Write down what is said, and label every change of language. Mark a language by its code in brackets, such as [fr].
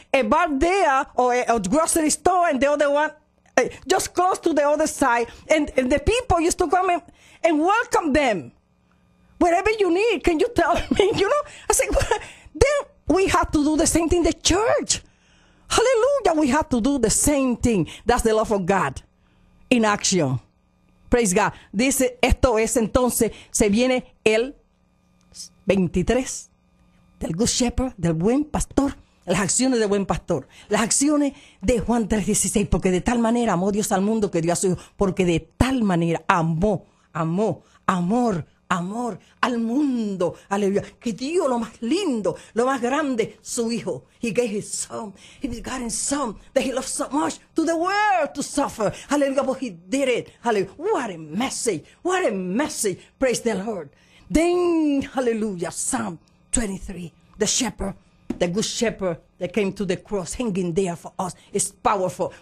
[en] A bar there, or a grocery store, and the other one, just close to the other side, and the people used to come and welcome them. Whatever you need, can you tell me? You know, I said, well, then we have to do the same thing, the church. Hallelujah, we have to do the same thing. That's the love of God in action. Praise God. [es] Dice, esto es entonces, se viene el 23 del Good Shepherd, del buen pastor. Las acciones de buen pastor. Las acciones de Juan 3:16. Porque de tal manera amó Dios al mundo que dio a su hijo. Porque de tal manera amó al mundo. Aleluya. Que dio lo más lindo, lo más grande, su hijo. [en] He gave his son. He got his son that he loved so much to the world to suffer. Aleluya. But he did it. Hallelujah. What a message. What a message. Praise the Lord. Then, hallelujah. Psalm 23. The shepherd. The good shepherd that came to the cross hanging there for us is powerful.